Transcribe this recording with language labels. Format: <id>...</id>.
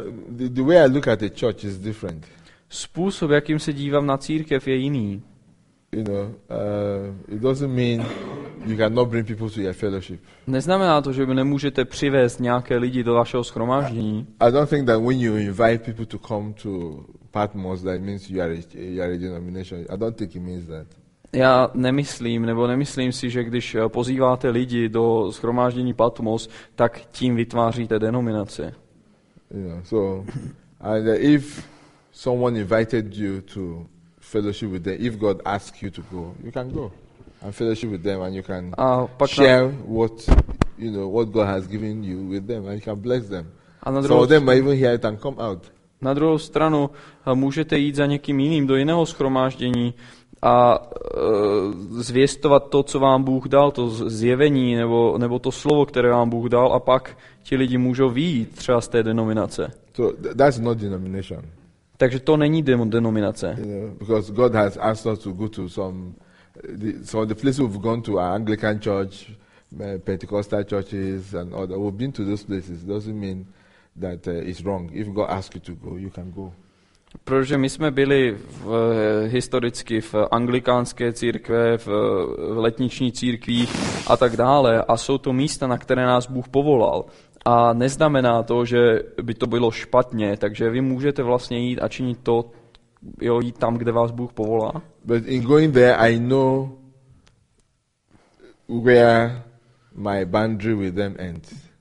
<en>The way I look at the church is different.</en> <cs>Způsob, jakým se dívám na církev, je jiný.</cs> <en>You know, it doesn't mean you cannot bring people to your fellowship.</en> <cs>Neznamená to, že nemůžete přivést nějaké lidi do vašeho shromáždění.</cs> <en>I don't think that when you invite people to come to Patmos, that means you are a denomination. I don't think it means that.</en> <cs>Já nemyslím si, že když pozýváte lidi do shromáždění Patmos, tak tím vytváříte denominaci.</cs> <en>You know, so, and if someone invited you to fellowship with them. If God asks you to go, you can go and fellowship with them, and you can share what you know, what God has given you with them, and you can bless them. Some of them might even hear it and come out.</en> <cs>Na druhou stranu, můžete jít za někým jiným do jiného shromáždění a zvěstovat to, co vám Bůh dal, to zjevení nebo to slovo, které vám Bůh dal, a pak ti lidi můžou vyjít třeba z té denominace.</cs> <en>So that's not denomination.</en> <cs>Takže to není denominace.</cs> <en>You know, because God has asked us to go to some of the places we've gone to are Anglican church, Pentecostal churches and other. We've been to those places. It doesn't mean that it's wrong. If God asks you to go, you can go.</en> <cs>Protože my jsme byli historicky v anglikánské církve, v letniční církvi a tak dále, a jsou to místa, na které nás Bůh povolal. A neznamená to, že by to bylo špatně, takže vy můžete vlastně jít a činit to, jo, jít tam, kde vás Bůh povolá.</cs> <en>But in going there, I know where my boundary with them ends.</en>